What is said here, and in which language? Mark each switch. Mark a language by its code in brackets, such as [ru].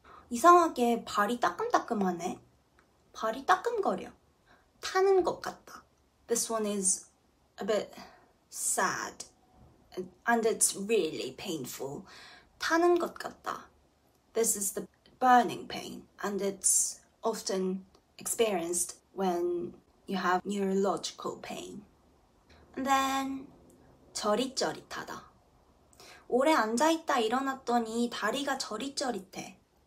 [ko] 이상하게 발이 따끔따끔하네. 발이 따끔거려. 타는 것 같다. [en] This one is a bit sad and it's really painful. [ko] 타는 것 같다. [en] This is the burning pain and it's often experienced when you have neurological pain. And then 저릿저릿하다. [ko] 오래 앉아있다 일어났더니 다리가 저릿저릿해.